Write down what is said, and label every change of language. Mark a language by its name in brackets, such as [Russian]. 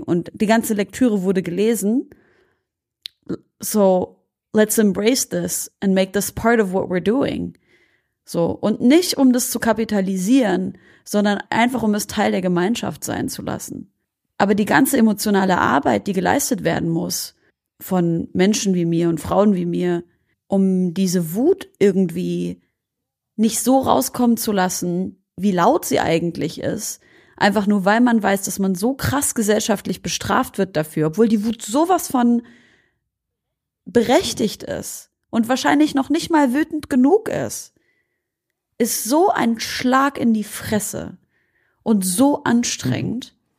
[German] Und die ganze Lektüre wurde gelesen. [English] So, let's embrace this and make this part of what we're doing. [German] So, und nicht um das zu kapitalisieren, sondern einfach um es Teil der Gemeinschaft sein zu lassen. Aber die ganze emotionale Arbeit, die geleistet werden muss von Menschen wie mir und Frauen wie mir, um diese Wut irgendwie nicht so rauskommen zu lassen, wie laut sie eigentlich ist, einfach nur weil man weiß, dass man so krass gesellschaftlich bestraft wird dafür, obwohl die Wut sowas von berechtigt ist und wahrscheinlich noch nicht mal wütend genug ist, ist so ein Schlag in die Fresse und so anstrengend.